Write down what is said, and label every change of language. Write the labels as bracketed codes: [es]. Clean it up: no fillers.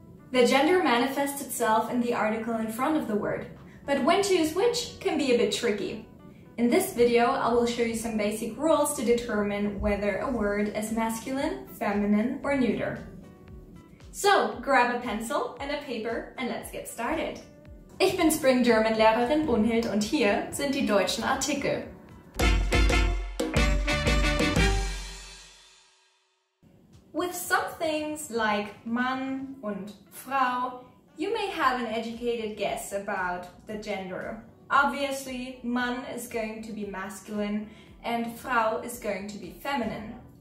[en] The gender manifests itself in the article in front of the word, but when to use which can be a bit tricky. In this video, I will show you some basic rules to determine whether a word is masculine, feminine, or neuter. So, grab a pencil and a paper and let's get started. [de] Ich bin Spring German Lehrerin Brunhild und hier sind die deutschen Artikel. [en] With some things like Mann und Frau, you may have an educated guess about the gender. Obviously, Mann is going to be masculine and Frau is going to be feminine.